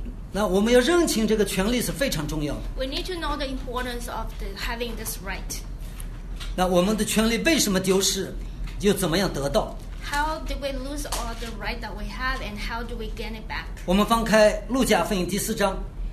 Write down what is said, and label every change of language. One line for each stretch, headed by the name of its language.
Chinese: 那我们要认清这个权利是非常重要的。
English: We need to know the importance of having this right.
Chinese: 那我们的权利为什么丢失，又怎么样得到？
English: How do we lose all the right that we have, and how do we gain it back?
Chinese: 我们翻开路加福音第四章。